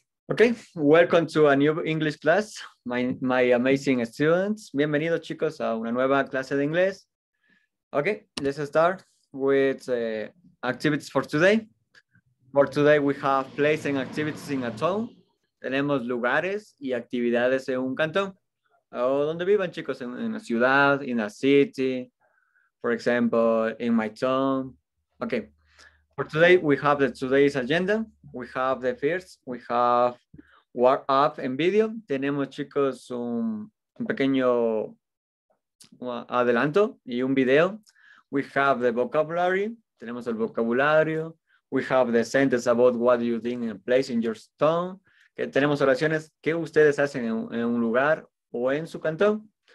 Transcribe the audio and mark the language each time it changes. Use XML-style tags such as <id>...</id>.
<en>Ok. Welcome to a new English class, my amazing students.</en> <es>Bienvenidos, chicos, a una nueva clase de inglés.</es> <en>Okay, let's start with activities for today. For today, we have places and activities in a town.</en> <es>Tenemos lugares y actividades en un cantón. ¿Dónde viven, chicos? En a ciudad,</es> <en>in a city. For example, in my town. Okay, for today, we have the today's agenda. We have the first. We have warm-up and video.</en> <es>Tenemos, chicos, un pequeño adelanto y un video.</es> <en>We have the vocabulary.</en> <es>Tenemos el vocabulario.</es> <en>We have the sentence about what you think in place in your town.</en> <es>Que tenemos oraciones que ustedes hacen en un lugar o en su cantón.</es>